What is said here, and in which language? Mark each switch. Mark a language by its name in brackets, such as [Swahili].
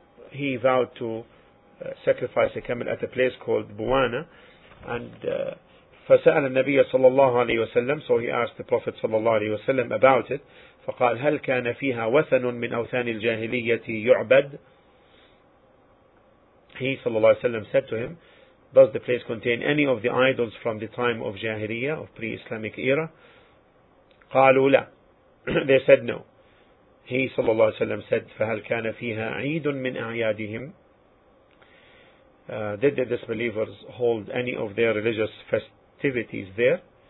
[English] He vowed to sacrifice a camel at a place called بوانة. And [Arabic] فسأل النبي صلى الله عليه وسلم, [English] so he asked the Prophet صلى الله عليه وسلم about it. [Arabic] فقال هل كان فيها وثن من أوثان الجاهلية يعبد. [English] He صلى الله عليه وسلم said to him, does the place contain any of the idols from the time of جاهلية, of pre-Islamic era? [Arabic] قالوا لا. [English] They said no. [Arabic] He صلى الله عليه وسلم said, فهل كان فيها عيد من أعيادهم. [English] Did the disbelievers hold any of their religious festivities there?